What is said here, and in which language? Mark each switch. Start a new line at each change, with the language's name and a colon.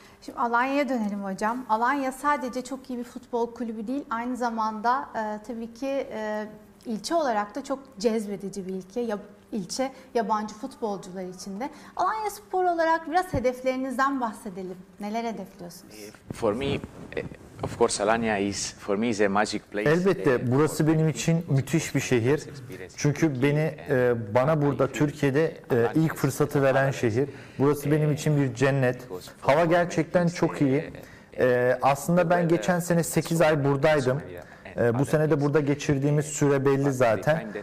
Turkish: Şimdi Alanya'ya dönelim hocam. Alanya sadece çok iyi bir futbol kulübü değil, aynı zamanda tabii ki ilçe olarak da çok cezbedici bir ilke. İlçe yabancı futbolcular için de. Alanya Spor olarak biraz hedeflerinizden bahsedelim. Neler hedefliyorsunuz?
English: For me, of course, Alanya is for me is a magic place.
Turkish: Elbette burası benim için müthiş bir şehir. Çünkü beni bana burada Türkiye'de ilk fırsatı veren şehir. Burası benim için bir cennet. Hava gerçekten çok iyi. Aslında ben geçen sene 8 ay buradaydım. Bu sene de burada geçirdiğimiz süre belli zaten.